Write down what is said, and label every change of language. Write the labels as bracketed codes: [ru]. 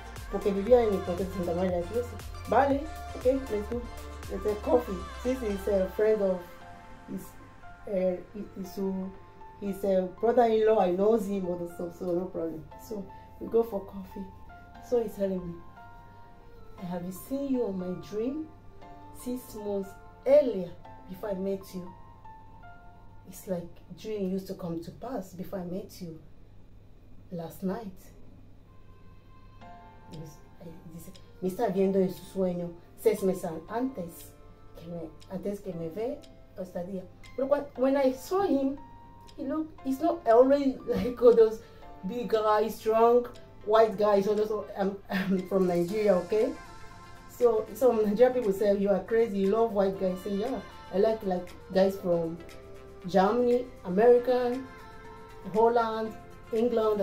[es] Porque vivía en el Puerto de Santa María. [en] Vale, okay, let's go. Let's have coffee. Since he's a friend of his brother-in-law, I know him or the stuff, so no problem. So we go for coffee. So he's telling me, I have seen you on my dream 6 months earlier. Before I met you, it's like dream used to come to pass before I met you last night. [es] Dice, me está viendo en su sueño 6 meses antes que me ve esta día. [en] But when I saw him, he looked, he's not always like all those big guys, strong, white guys. I'm from Nigeria, okay? So some Nigerian people say, you are crazy, you love white guys. I say, yeah. I like guys from Germany, America, Holland, England.